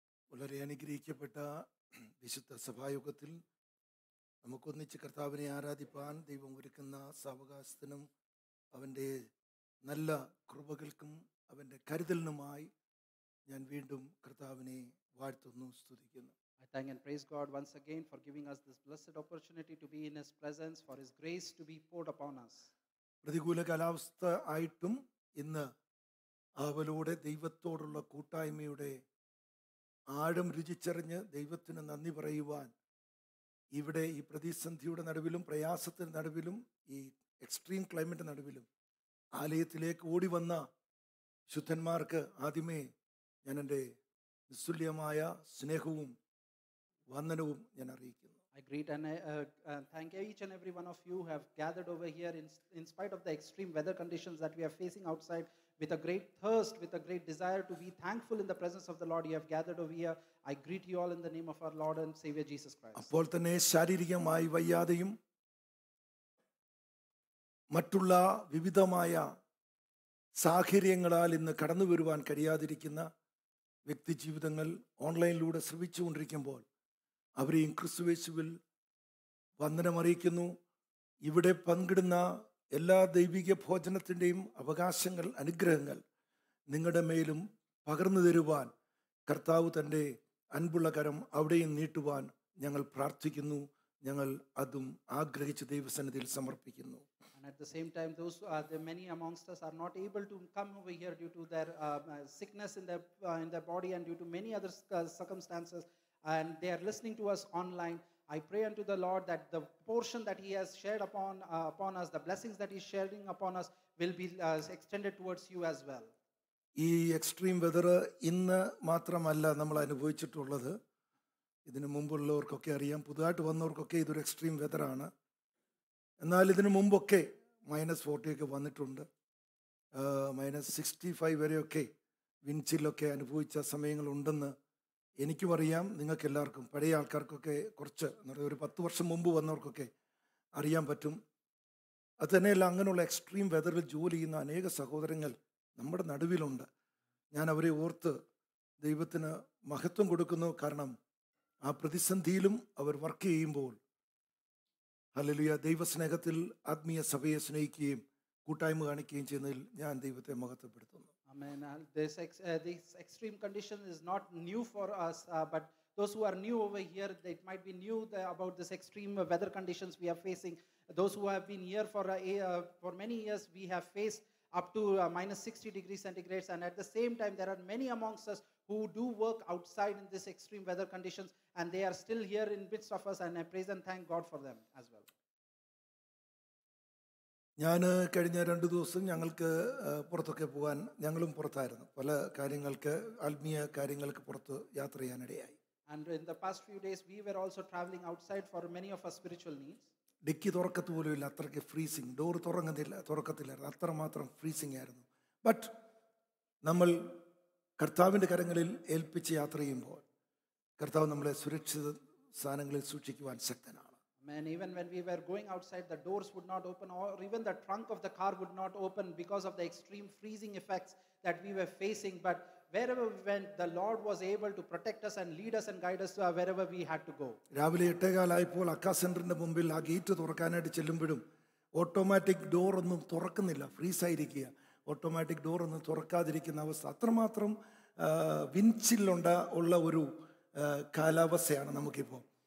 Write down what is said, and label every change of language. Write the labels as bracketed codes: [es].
[ml] വളരെ അനുഗ്രഹിക്കപ്പെട്ട വിശുദ്ധ സഭായോഗത്തിൽ നമുക്കൊന്നിച്ച് കർത്താവിനെ ആരാധിപ്പാൻ ദൈവം ഒരുക്കുന്ന സാവകാശത്തിനും അവൻ്റെ നല്ല കൃപകൾക്കും അവൻ്റെ കരുതലിനുമായി ഞാൻ വീണ്ടും കർത്താവിനെ വാഴ്ത്തുന്നു, സ്തുതിക്കുന്നു. [en] I thank and praise God once again for giving us this blessed opportunity to be in His presence, for His grace to be poured upon us. [ml] പ്രതികൂല കാലാവസ്ഥ ആയിട്ടും ഇന്ന് അവലോടെ ദൈവത്തോടുള്ള കൂട്ടായ്മയുടെ ആഴം രുചിച്ചറിഞ്ഞ് ദൈവത്തിന് നന്ദി പറയുവാൻ ഇവിടെ ഈ പ്രതിസന്ധിയുടെ നടുവിലും പ്രയാസത്തിൻ്റെ നടുവിലും ഈ എക്സ്ട്രീം ക്ലൈമറ്റ് നടുവിലും ആലയത്തിലേക്ക് ഓടി വന്ന ശുദ്ധന്മാർക്ക് ആദ്യമേ ഞാൻ എൻ്റെ നിസ്തുല്യമായ സ്നേഹവും വന്ദനവും ഞാൻ അറിയിക്കുന്നു. [en] I greet and thank each and every one of you who have gathered over here in spite of the extreme weather conditions that we are facing outside. With a great thirst, with a great desire to be thankful in the presence of the Lord, you have gathered over here. I greet you all in the name of our Lord and Savior Jesus Christ. [ml] അപ്പോൾ തന്നെ ശാരീരികമായി വയ്യാതെയും മറ്റുള്ള വിവിധമായ സാഹചര്യങ്ങളാൽ ഇന്ന് കടന്നു വരുവാൻ കഴിയാതിരിക്കുന്ന വ്യക്തി ജീവിതങ്ങൾ ഓൺലൈനിലൂടെ ശ്രമിച്ചുകൊണ്ടിരിക്കുമ്പോൾ അവരെയും ക്രിസ്തുയേശുവിൽ വന്ദനമറിയിക്കുന്നു. ഇവിടെ പങ്കിടുന്ന എല്ലാ ദൈവിക ഭോജനത്തിൻ്റെയും അവകാശങ്ങൾ അനുഗ്രഹങ്ങൾ നിങ്ങളുടെ മേലും പകർന്നു തരുവാൻ കർത്താവ് തൻ്റെ അൻപുള്ള കരം അവിടെയും നീട്ടുവാൻ ഞങ്ങൾ പ്രാർത്ഥിക്കുന്നു. ഞങ്ങൾ അതും ആഗ്രഹിച്ച് ദൈവസന്നിധിയിൽ സമർപ്പിക്കുന്നു. [en] And at the same time, those many amongst us are not able to come over here due to their sickness in their body and due to many other circumstances, and they are listening to us online. I pray unto the Lord that the portion that he has shared upon us, the blessings that he is sharing upon us, will be extended towards you as well. [ml] ee extreme weather inna mathramalla nammal anubhavichittullathu idinu munpullavarkokke ariyam pudhayittu vannavarkokke idu extreme weather aanu ennal idinu munpokke minus 40 okke vannittund minus 65 vare okke wind chill okke anubhavicha samayangal undennu എനിക്കും അറിയാം, നിങ്ങൾക്ക് എല്ലാവർക്കും പഴയ ആൾക്കാർക്കൊക്കെ കുറച്ച് ഒരു 10 വർഷം മുമ്പ് വന്നവർക്കൊക്കെ അറിയാൻ പറ്റും. അത് തന്നെയല്ല, അങ്ങനെയുള്ള എക്സ്ട്രീം വെതറിൽ ജോലി ചെയ്യുന്ന അനേക സഹോദരങ്ങൾ നമ്മുടെ നടുവിലുണ്ട്. ഞാൻ അവരെ ഓർത്ത് ദൈവത്തിന് മഹത്വം കൊടുക്കുന്നു. കാരണം ആ പ്രതിസന്ധിയിലും അവർ വർക്ക് ചെയ്യുമ്പോൾ ഹല്ലേലൂയ ദൈവസ്നേഹത്തിൽ ആത്മീയ സഭയെ സ്നേഹിക്കുകയും കൂട്ടായ്മ കാണിക്കുകയും ചെയ്യുന്നതിൽ ഞാൻ ദൈവത്തെ മഹത്വപ്പെടുത്തുന്നു. [en] Amen. This extreme condition is not new for us, but those who are new over here, they might be new about this extreme weather conditions we are facing. Those who have been here for many years, we have faced up to minus 60 degrees centigrade, and at the same time there are many amongst us who do work outside in this extreme weather conditions, and they are still here in midst of us, and I praise and thank God for them as well. [ml] ഞാൻ കഴിഞ്ഞ 2 ദിവസം ഞങ്ങൾക്ക് പുറത്തൊക്കെ പോകാൻ, ഞങ്ങളും പുറത്തായിരുന്നു പല കാര്യങ്ങൾക്ക്, ആത്മീയ കാര്യങ്ങൾക്ക് പുറത്ത് യാത്ര ചെയ്യാനിടയായി. [en] And in the past few days we were also traveling outside for many of our spiritual needs. [ml] Dicky തുറക്കത്ത് പോലും ഇല്ല, അത്രയ്ക്ക് ഫ്രീസിങ്, ഡോർ തുറങ്ങുന്നില്ല, തുറക്കത്തില്ലായിരുന്നു, അത്രമാത്രം ഫ്രീസിങ് ആയിരുന്നു. ബട്ട് നമ്മൾ കർത്താവിൻ്റെ കരങ്ങളിൽ ഏൽപ്പിച്ച് യാത്ര ചെയ്യുമ്പോൾ കർത്താവ് നമ്മളെ സുരക്ഷിത സ്ഥാനങ്ങളിൽ സൂക്ഷിക്കുവാൻ ശക്തനാണ്. [en] And even when we were going outside, the doors would not open, or even the trunk of the car would not open because of the extreme freezing effects that we were facing. But wherever we went, the Lord was able to protect us and lead us and guide us to wherever we had to go. [ml] രാവിലെ 8:00 ആയപ്പോൾ അക്കാ സെന്ററിന്റെ മുമ്പിൽ ആ gate തുറക്കാനായിട്ട് ചെല്ലുമ്പോഴും automatic door ഒന്നും തുറക്കുന്നില്ല, freeze ആയിരിക്കുക, automatic door ഒന്നും തുറക്കാതിരിക്കുന്ന അവസ്ഥ. അത്രമാത്രം വിൻഡ്ചില്ലുണ്ട ഉള്ള ഒരു കാലാവസ്ഥയാണ് നമുക്കിപ്പോൾ.